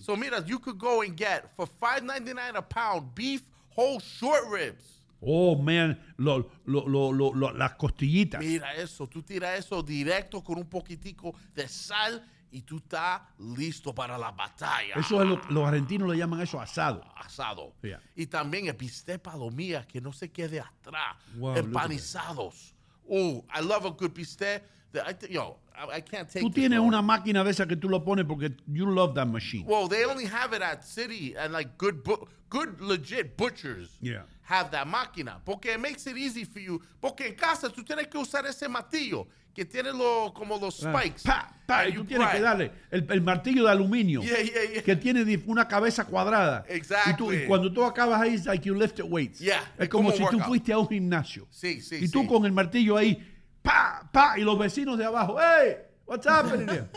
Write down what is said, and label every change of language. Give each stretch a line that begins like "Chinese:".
English: So,
Spanish: mira,
English: you could go and get for $5.99 a pound beef whole short ribs. Oh, man.
Spanish: Lo, las costillitas. Mira eso. Tú tiras eso directo con un poquitico de sal y tú estás listo para la batalla. Eso es lo que los argentinos le llaman eso asado. Asado.
English: Yeah.
Spanish: Y también el bistec palomía que no se quede atrás.
English: Wow,
Spanish: empanizados.
English: Oh, I love a good bistec. I can't take
Spanish: it. Tú tienes una máquina de esa que tú lo pones porque
English: you love that machine. Well, they only have it at City and like good legit butchers have that
Spanish: máquina porque
English: it makes it easy for you.
Spanish: Porque en casa tú tienes que usar ese martillo que tiene como los spikes. Tú tienes que darle el martillo de aluminio que tiene una cabeza cuadrada.
English: Exactly.
Spanish: Y cuando tú acabas ahí,
English: it's like you lifted weights. Yeah.
Spanish: Es como si tú fuiste a un gimnasio. Sí. Y tú con el martillo ahí, pa, pa, y los vecinos de abajo,
English: hey, what's happening?